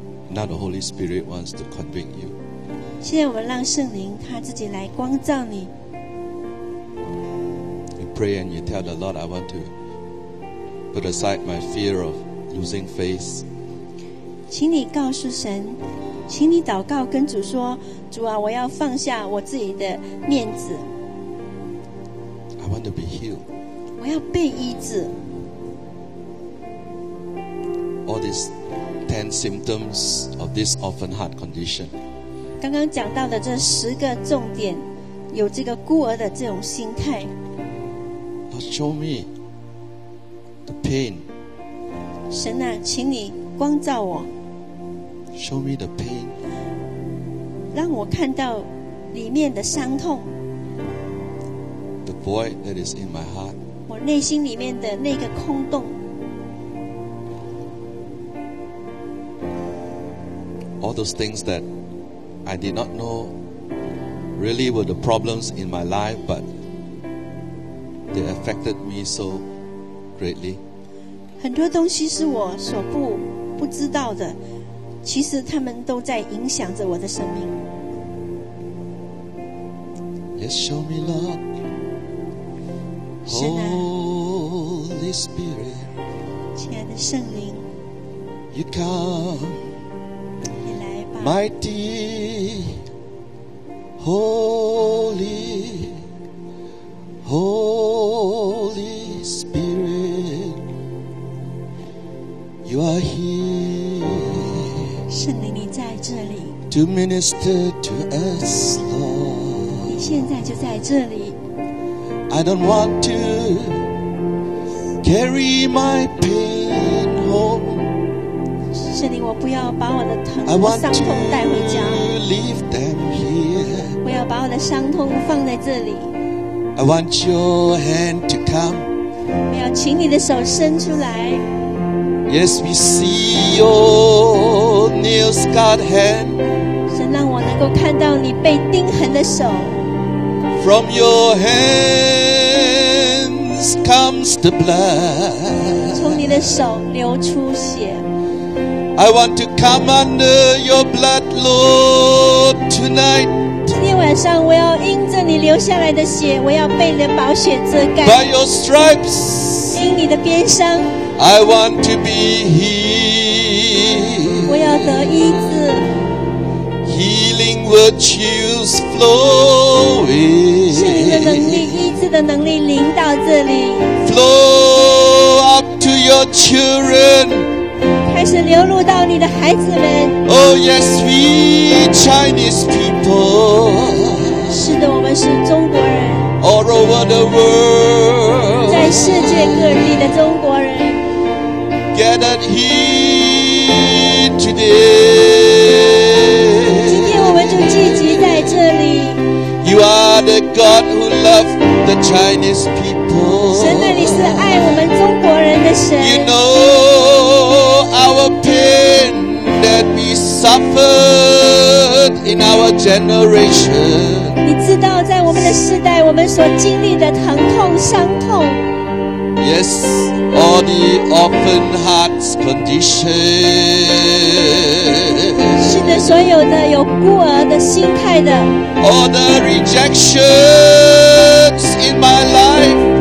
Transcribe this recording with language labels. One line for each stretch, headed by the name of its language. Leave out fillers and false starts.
English: Now the Holy Spirit wants to convict you.
Chinese: 现在我们让圣灵他自己来光照你。
English: You pray and you tell the Lord, I want to put aside my fear of losing faith.
Chinese: 请你告诉神，请你祷告跟主说，主啊，我要放下我自己的面子。
English: I want to be healed.
Chinese: 我要被医治。
English: All these ten symptoms of this orphan heart condition.
Chinese: 刚刚讲到的这十个重点，有这个孤儿的这种心态。
English: Lord, show me the pain.
Chinese: 神啊，请你光照我。
English: Show me the pain.
Chinese: 让我看到里面的伤痛。
English: The void that is in my heart.
Chinese: 我内心里面的那个空洞。
English: All those things that I did not know really were the problems in my life, but they affected me so greatly.
Chinese: 很多东西是我所不知道的，其实他们都在影响着我的生命。
English: Yes, show me love, Holy Spirit.
Chinese: 亲爱的圣灵
English: ，You come,
Chinese: 你来吧
English: ，Mighty, Holy, Holy Spirit. You are here.
Chinese: 圣灵，你在这里。
English: to minister to us, Lord.
Chinese: 你现在就在这里。
English: I don't want to carry my pain home.
Chinese: 圣灵，我不要把我的伤痛带回家。
English: I want to leave them here.
Chinese: 我要把我的伤痛放在这里。
English: I want your hand to come.
Chinese: 我要请你的手伸出来。
English: Yes, we see your nails cut hand.
Chinese: 神让我能够看到你被钉痕的手。
English: From your hands comes the blood.
Chinese: 从你的手流出血。
English: I want to come under your blood, Lord, tonight.
Chinese: 今天晚上我要因着你流下来的血，我要被你的宝血遮盖。
English: By your stripes.
Chinese: 因你的鞭伤。
English: I want to be healed.
Chinese: 我要得医治。
English: Healing virtues flowing.
Chinese: 是你的能力，医治的能力临到这里。
English: Flow up to your children.
Chinese: 开始流露到你的孩子们。
English: Oh yes, we Chinese people.
Chinese: 是的，我们是中国人。
English: All over the world.
Chinese: 在世界各地的中国人。
English: Gathered here today.
Chinese: 今天我们就聚集在这里。
English: You are the God who loves the Chinese people.
Chinese: 神啊，你是爱我们中国人的神。
English: You know our pain that we suffered in our generation.
Chinese: 你知道在我们的世代，我们所经历的疼痛、伤痛。
English: Yes, all the orphan heart's condition.
Chinese: 是的，所有的有孤儿的心态的。
English: All the rejections in my life.